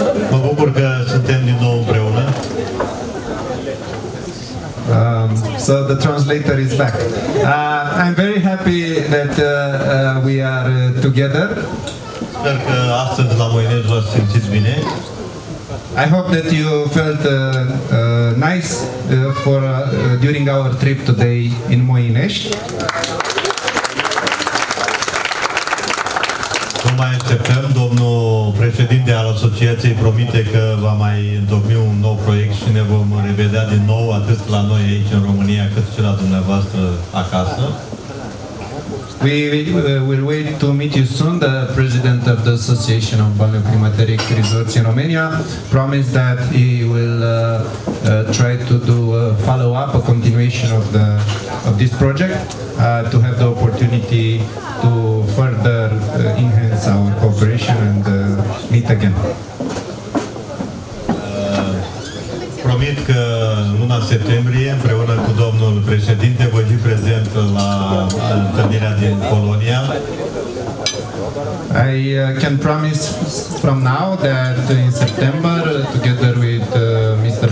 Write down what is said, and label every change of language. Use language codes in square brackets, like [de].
[ro] Mă bucur că suntem din nou împreună. [en] So the translator is back. I'm very happy that we are together. [ro] Sper că astăzi la Moinești vă simțiți bine. [en] I hope that you felt nice during our trip today in Moinești. [ro] Nu mai așteptăm, domnul președinte al asociației promite că va mai întocmi un nou proiect și ne vom revedea din nou atât la noi aici în România, cât și la dumneavoastră acasă. [en] We will wait to meet you soon. The president of the Association of Balneoclimateric Resorts in Romania promised that he will try to do a follow-up, a continuation of this project, to have the opportunity to further enhance our cooperation and meet again. [ro] Promit că luna septembrie, împreună cu domnul președinte, voi fi prezent la întâlnirea din Polonia. [en] I can promise from now that in September, together with Mr.